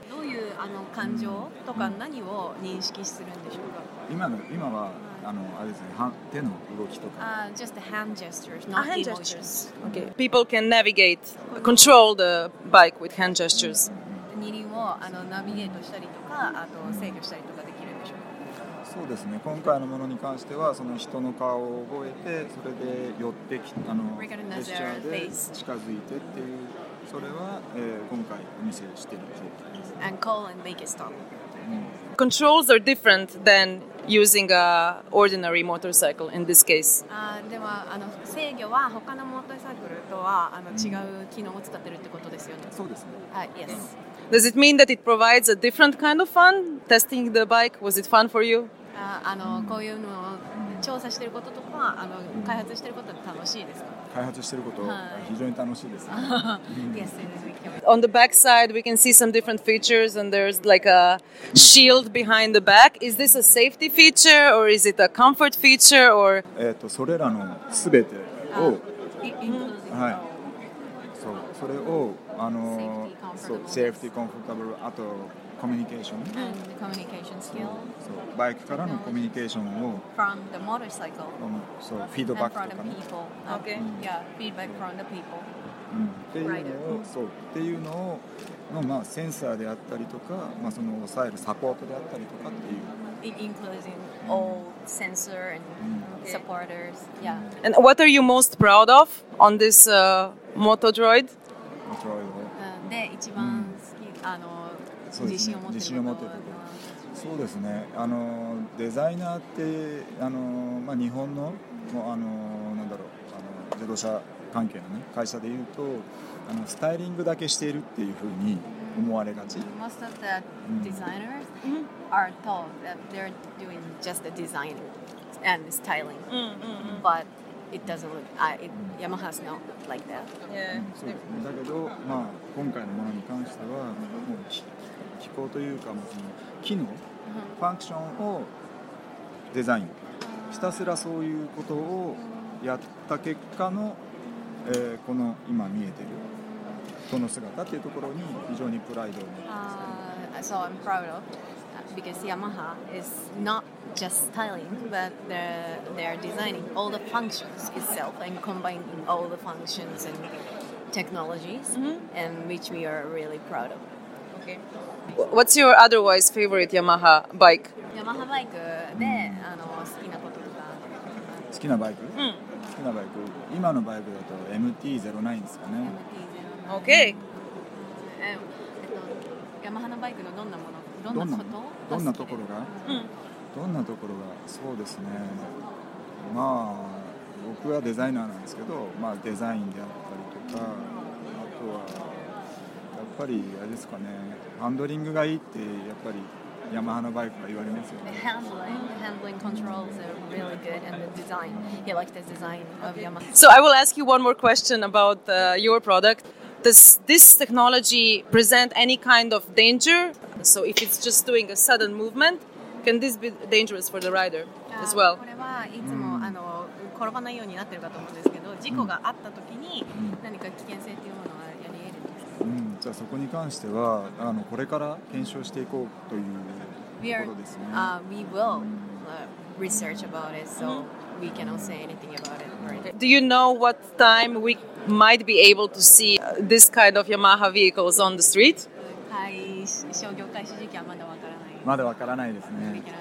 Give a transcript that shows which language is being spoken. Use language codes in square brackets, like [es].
[ja] どういうあの感情とか何を認識するんでしょうか。今はあのあれですね、手の動きとか。 [en] Just the hand gestures, not the emotions. Okay. People can navigate, control the bike with hand gestures. [ja] 二輪をあのナビゲートしたりとか、あと制御したりとかできるんでしょうか。そうですね。今回のものに関してはその人の顔を覚えて、それで寄ってきあのジェスチャーで近づいてっていう。それは、今回お見せしてるんです。 [en] And call and make it stop. Controls are different than using an ordinary motorcycle in this case. [ja] ではあの制御は他のモーターサイクルとはあの違う機能を使ってるってことですよね。そうですね。 [en] Yes. Does it mean that it provides a different kind of fun? Testing the bike, was it fun for you? [ja] あのこういうのを調査していることとか、あの開発していることは楽しいですか。開発していること非常に楽しいです。 [en] Yes, On the back side, we can see some different features, and there's like a shield behind the back. Is this a safety feature, or is it a comfort feature, or? [ja] それらのすべてを、はい、そう、それをあの、そう、 [en] safety, comfortable, [ja] あとコミュニケーション、そう、バイクからのコミュニケーションを、 [en] from the motorcycle, [ja] そう、フィードバックとかね、 [en] okay, yeah, feedback from the people. [ja] っていうのを、そうっていうのを、まあセンサーであったりとか、まあその抑えるサポートであったりとかっていう。 [en] Including all sensor and supporters, yeah. And what are you most proud of on this Moto Droid? [ja] モトロイド。で一番あの自信を持ってる。自信を持ってるところ。そうですね。あのデザイナーってあのまあ日本のもあのなんだろうあの自動車関係の、ね、会社でいうとあのスタイリングだけしているっていうふうに思われがち。 [en] Most of the designers are told that they're doing just the designing and styling, but it doesn't look. Yamaha's not like that. Yeah. [ja] だけど、まあ、今回のものに関しては、もう機構というかもうその機能、ファンクションをデザイン、ひたすらそういうことをやった結果の。この今見えているこの姿っていうところに非常にプライドを持っています。 [en] So I'm proud of because Yamaha is not just styling, but they're designing all the functions itself and combining all the functions and technologies, and which we are really proud of. Okay. What's your otherwise favorite Yamaha bike? [ja] Yamaha バイクで、あの好きなこととか。好きなバイク？好きなバイク、今のバイクだと MT-09 ですかね。 MT-09。 [en] OK、 [ja] ヤマハのバイクのどんなもの、どんなことどんなところが、うん、どんなところが、そうですね、まあ僕はデザイナーなんですけど、まあデザインであったりとか、あとはやっぱりあれですかね、ハンドリングがいいってやっぱりYamaha のバイクは言われますよね。 [en] The handling controls are really good and the design, he likes the design of Yamaha. So I will ask you one more question about your product. Does this technology present any kind of danger? So if it's just doing a sudden movement, can this be dangerous for the rider as well? [ja] これはいつもあの転ばないようになってるかと思うんですけど、事故があった時に何か危険性というものはじゃあそこに関してはあのこれから検証していこうというところですね。 [en] We will research about it, so we cannot say anything about it. Do you know what time we might be able to see this kind of Yamaha vehicles on the street? [ja] 開商業開始時期はまだわからない。まだわからないですね。